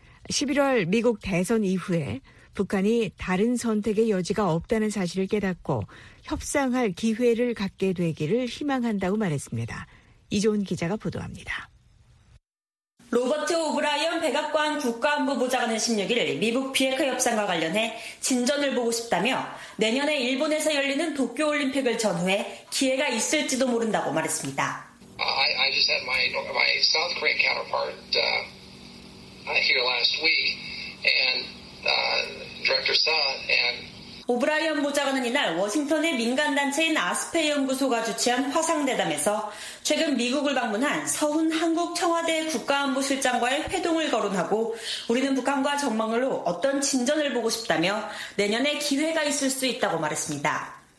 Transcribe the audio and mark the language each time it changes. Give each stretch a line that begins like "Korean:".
Korean: 11월 미국 대선 이후에 북한이 다른 선택의 여지가 없다는 사실을 깨닫고 협상할 기회를 갖게 되기를 희망한다고 말했습니다. 이종훈 기자가 보도합니다. 로버트 오브라이언 백악관 국가안보부좌관은 16일 미국 비핵화 협상과 관련해 진전을 보고 싶다며 내년에 일본에서 열리는 도쿄올림픽을 전후해 기회가 있을지도 모른다고 말했습니다.
English: I just had my South Korean counterpart here last week and Director Sun and
Korean: 오브라이언 부좌관은 이날 워싱턴의 민간단체인 아스페 연구소가 주최한 화상대담에서 최근 미국을 방문한 서훈 한국 청와대 국가안보실장과의 회동을 거론하고 우리는 북한과 정말로 어떤 진전을 보고 싶다며 내년에 기회가 있을 수 있다고 말했습니다.